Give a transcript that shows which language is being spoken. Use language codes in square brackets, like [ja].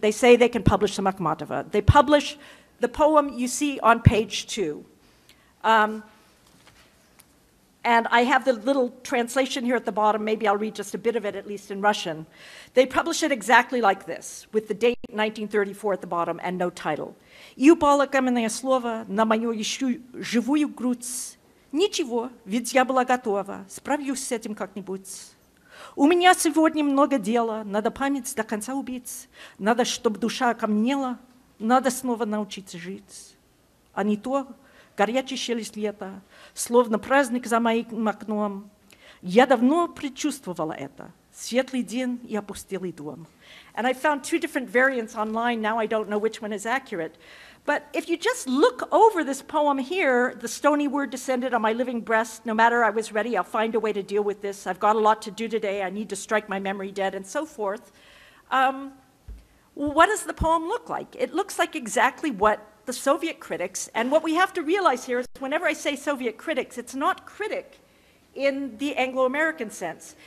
[en] They say they can publish some Akhmatova. They publish the poem you see on page 2. And I have the little translation here at the bottom. Maybe I'll read just a bit of it, at least in Russian. They publish it exactly like this, with the date 1934 at the bottom and no title. [ru] Я упала каменное слово на мою еще живую грудь. Ничего, ведь я была готова. Справлюсь с этим как-нибудь. У меня сегодня много дела. Надо память до конца убить. Надо, чтобы душа окаменела. Надо снова научиться жить. А не то... Горячий щелест лета, словно праздник за моим окном. Я давно предчувствовала это. Светлый день и опустелый дом. [en] And I found two different variants online. Now I don't know which one is accurate. But if you just look over this poem here, the stony word descended on my living breast. No matter, I was ready. I'll find a way to deal with this. I've got a lot to do today. I need to strike my memory dead and so forth. What does the poem look like? It looks like exactly what the Soviet critics, and what we have to realize here is whenever I say Soviet critics, it's not critic in the Anglo-American sense.